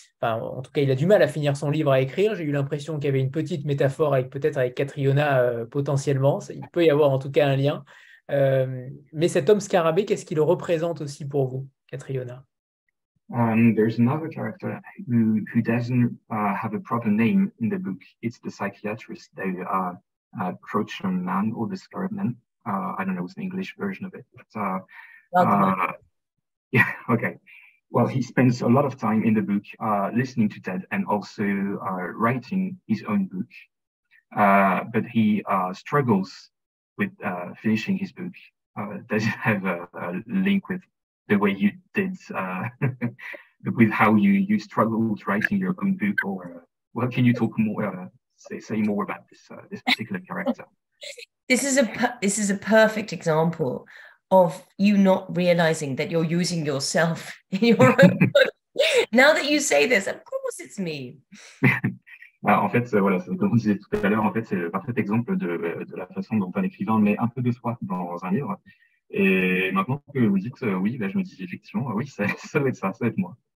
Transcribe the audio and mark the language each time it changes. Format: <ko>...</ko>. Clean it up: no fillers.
<fr>Enfin, en tout cas, il a du mal à finir son livre à écrire. J'ai eu l'impression qu'il y avait une petite métaphore avec Catriona, potentiellement. Il peut y avoir en tout cas un lien. Mais cet homme scarabée, qu'est-ce qu'il représente aussi pour vous, Catriona?</fr> <en>There's another character who doesn't have a proper name in the book. It's the psychiatrist, the Crouching Man or the Scarab Man. I don't know what's the English version of it. But, yeah, okay. Well, he spends a lot of time in the book listening to Ted and also writing his own book. But he struggles with finishing his book. Does it have a link with the way you did, with how you struggled writing your own book? Or well, can you talk more, say more about this particular character? This is a perfect example of you not realizing that you're using yourself in your own book. Now that you say this, of course it's me.</en> <fr>En fait, voilà, comme je disais tout à l'heure, en fait, c'est le parfait exemple de la façon dont un écrivain met un peu de soi dans un livre. Et maintenant que vous dites oui, ben, je me dis effectivement, oui, ça va être ça, ça va être moi.</fr>